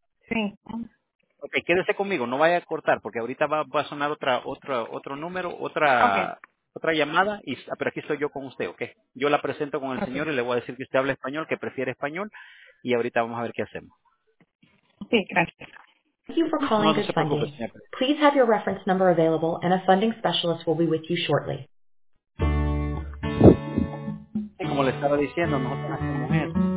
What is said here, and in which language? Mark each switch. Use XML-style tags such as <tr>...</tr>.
<es>Sí. Ok, quédese conmigo, no vaya a cortar, porque ahorita va a sonar otro número, otra llamada, pero aquí estoy yo con usted, ¿ok? Yo la presento con el señor y le voy a decir que usted habla español, que prefiere español, y ahorita vamos a ver qué hacemos. Sí, gracias.</es> <en>Thank you for calling Good Funding. Please have your reference number available, and a funding specialist will be with you shortly.</en> <es>Sí, como le estaba diciendo, nosotros hacemos eso.</es>